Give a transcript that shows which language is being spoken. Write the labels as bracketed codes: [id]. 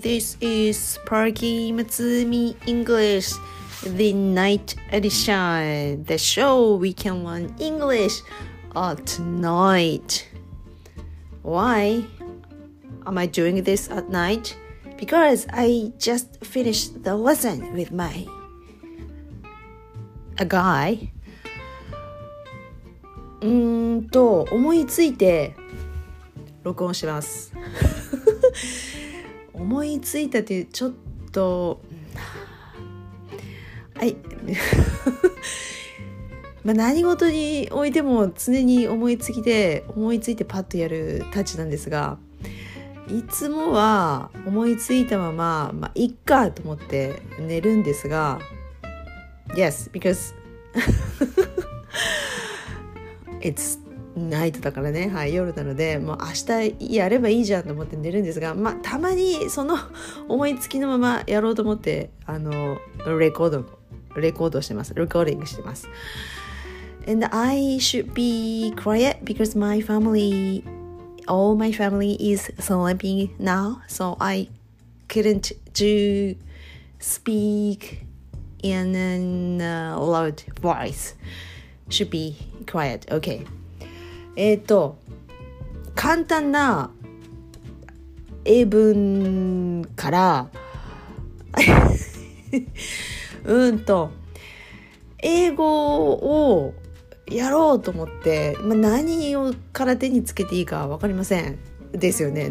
[en] This is Sparky Matsumi English, the night edition, the show we can learn English at night. Why am I doing this at night? Because I just finished the lesson with a guy. [ja] と思いついて録音します。思いついたってちょっと、はい、まあ何事においても常に思いつきで、思いついてパッとやるたちなんですが、いつもは思いついたまま、まあいっかと思って寝るんですが、 [en] Yes, because it's [ja] ナイトだからね、はい、夜なのでもう明日やればいいじゃんと思って寝るんですが、まあたまにその思いつきのままやろうと思って、あのレコードしてます、レコーディングしてます。 [en] And I should be quiet because all my family is sleeping now, so I couldn't do speak in a loud voice. Should be quiet. Okay. [ja] 簡単な英文からと英語をやろうと思って、まあ、何をから手につけていいか分かりませんですよね。